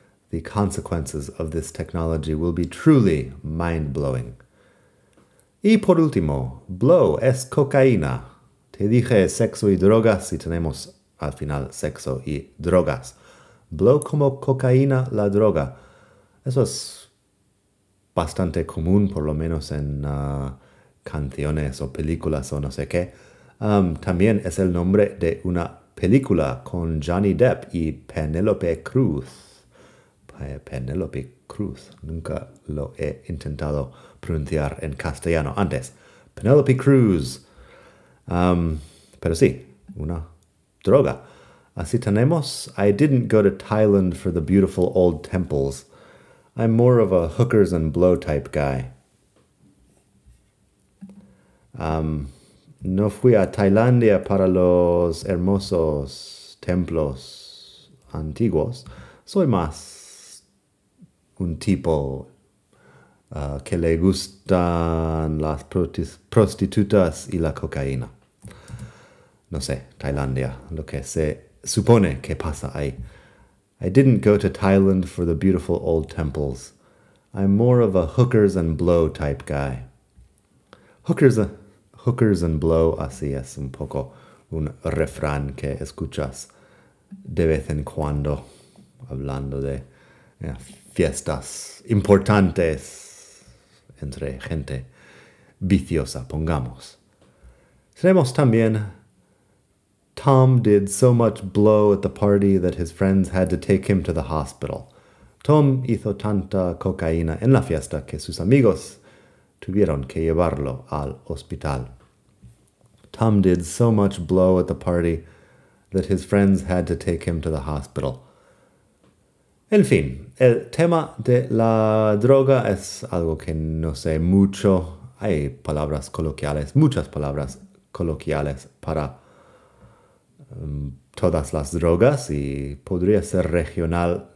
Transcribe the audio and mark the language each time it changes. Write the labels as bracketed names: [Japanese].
[English] The consequences of this technology will be truly mind-blowing. [Spanish] Y por último, blow es cocaína. Te dije sexo y drogas y tenemos al final sexo y drogas. Blow como cocaína la droga. Eso es bastante común, por lo menos en canciones o películas o no sé qué. También es el nombre de una película con Johnny Depp y Penélope Cruz. Penélope Cruz. Nunca lo he intentado pronunciar en castellano antes. Penélope Cruz. Pero sí, una droga. Así tenemos. [English] I didn't go to Thailand for the beautiful old temples. I'm more of a hookers and blow type guy. [Spanish] No fui a Tailandia para los hermosos templos antiguos. Soy más un tipo que le gustan las prostitutas y la cocaína. No sé, Tailandia, lo que se supone que pasa ahí. [English] I didn't go to Thailand for the beautiful old temples. I'm more of a hookers and blow type guy. [Spanish] Hookers and blow, así es un poco un refrán que escuchas de vez en cuando hablando de fiestas importantes entre gente viciosa, pongamos. Tenemos también [English] Tom did so much blow at the party that his friends had to take him to the hospital. [Spanish] Tom hizo tanta cocaína en la fiesta que sus amigos tuvieron que llevarlo al hospital. [English] Tom did so much blow at the party that his friends had to take him to the hospital. [Spanish] En fin, el tema de la droga es algo que no sé mucho. Hay palabras coloquiales, muchas palabras coloquiales para todas las drogas y podría ser regional.